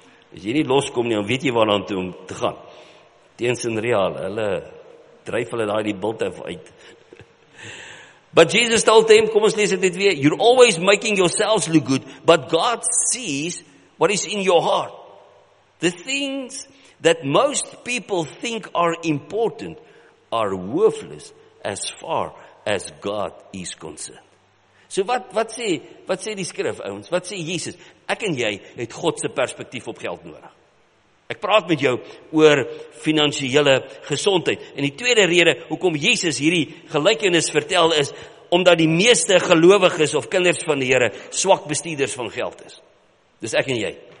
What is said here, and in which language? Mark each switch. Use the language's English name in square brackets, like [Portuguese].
[Afrikaans] As jy nie loskom nie, dan weet jy waarna toe om te gaan. Teens in real, hulle dryf hulle daai die bilte uit. [English] But Jesus told them, [Afrikaans] kom ons lees dit net weer, [English] you're always making yourselves look good, but God sees what is in your heart. The things that most people think are important are worthless as far as God is concerned. [Afrikaans] So wat sê die skrif, ouens? Wat sê Jesus? Ek en jy het God se perspektief op geld nodig. Ek praat met jou oor finansiële gesondheid. En die tweede rede hoekom Jesus hierdie gelykenis vertel is, omdat die meeste gelowiges of kinders van die Here swak bestuurders van geld is. Dis ek en jy.